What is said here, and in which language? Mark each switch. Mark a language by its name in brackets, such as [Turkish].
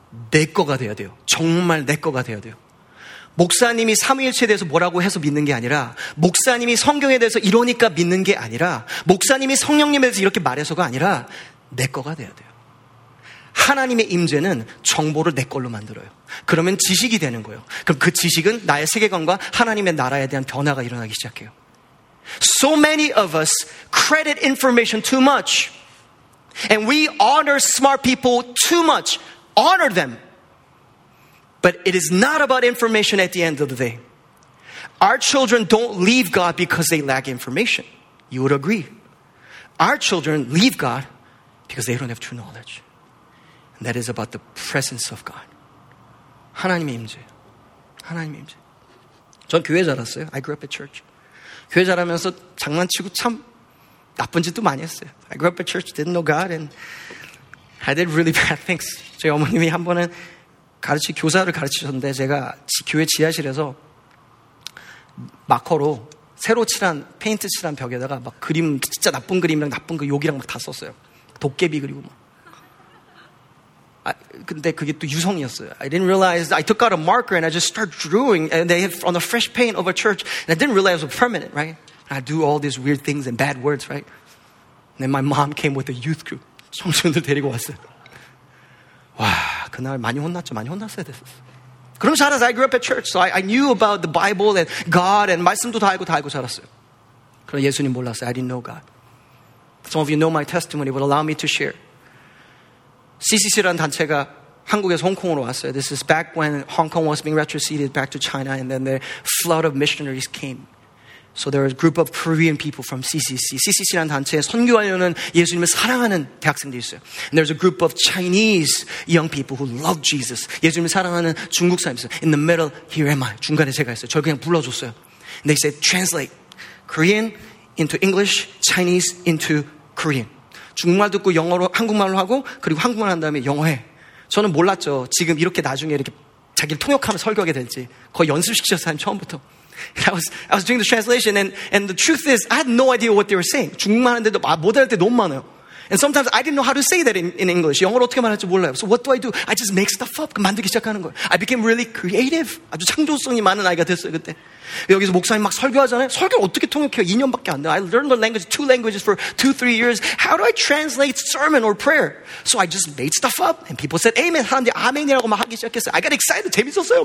[Korean] 내 거가 돼야 돼요. 정말 내 거가 돼야 돼요. 목사님이 삼위일체에 대해서 뭐라고 해서 믿는 게 아니라 목사님이 성경에 대해서 이러니까 믿는 게 아니라 목사님이 성령님에 대해서 이렇게 말해서가 아니라 내 거가 돼야 돼요. 하나님의 임재는 정보를 내 걸로 만들어요. 그러면 지식이 되는 거예요. 그럼 그 지식은 나의 세계관과 하나님의 나라에 대한 변화가 일어나기 시작해요. [English] So many of us credit information too much. And we honor smart people too much. Honor them. But it is not about information at the end of the day. Our children don't leave God because they lack information. You would agree. Our children leave God because they don't have true knowledge. And that is about the presence of God. [Korean] 하나님의 임재. 하나님의 임재. 전 교회 자랐어요. [English] I grew up at church. [Korean] 교회 자라면서 장난치고 참 나쁜 짓도 많이 했어요. [English] I grew up at church, didn't know God, and I did really bad things. [Korean] 저희 어머님이 한 번은 교사를 가르치셨는데 제가 교회 지하실에서 마커로 새로 칠한, 페인트 칠한 벽에다가 막 그림, 진짜 나쁜 그림이랑 나쁜 그 욕이랑 막 다 썼어요. 도깨비 그리고 막. 아, 근데 그게 또 유성이었어요. [English] I didn't realize, I took out a marker and I just started drawing and they had on a fresh paint of a church and I didn't realize it was permanent, right? And I do all these weird things and bad words, right? And then my mom came with a youth group. [Korean] 청소년들 데리고 왔어요. 와, 그날 많이 혼났죠. 많이 혼났어야 됐었어. 그럼 자라서 [English] I grew up at church. So I knew about the Bible and God and [Korean] 말씀도 다 알고 자랐어요. 그럼 예수님 몰랐어요. [English] I didn't know God. Some of you know my testimony, but allow me to share. [Korean] CCC라는 단체가 한국에서 홍콩으로 왔어요. [English] This is back when Hong Kong was being retroceded back to China and then the flood of missionaries came. So there was a group of Korean people from CCC. [Korean] CCC라는 단체에 선교하려는 예수님을 사랑하는 대학생들이 있어요. [English] And there's a group of Chinese young people who love Jesus. [Korean] 예수님을 사랑하는 중국 사람이 있어요. [English] In the middle, here am I. [Korean] 중간에 제가 있어요. 저를 그냥 불러줬어요. [English] And they said, translate Korean into English, Chinese into Korean. [Korean] 중국말 듣고 영어로 한국말로 하고 그리고 한국말 한 다음에 영어 해. 저는 몰랐죠. 지금 이렇게 나중에 이렇게 자기를 통역하면 설교하게 될지. 거의 연습시켜서 한 처음부터. [English] I was doing the translation and the truth is I had no idea what they were saying. [Korean] 중국말 하는데도 못 알 때 너무 많아요. [English] And sometimes I didn't know how to say that in English. [Korean] 영어로 어떻게 말할지 몰라요. [English] So what do? I just make stuff up. [Korean] 만들기 시작하는 거예요. [English] I became really creative. [Korean] 아주 창조성이 많은 아이가 됐어요, 그때. 여기서 목사님 막 설교하잖아요. 설교를 어떻게 통역해요? 2년밖에 안 돼요. [English] I learned the language, two languages for two, three years. How do I translate sermon or prayer? So I just made stuff up. And people said, amen. [Korean] 사람들이 아멘이라고 막 하기 시작했어요. [English] I got excited. [Korean] 재밌었어요.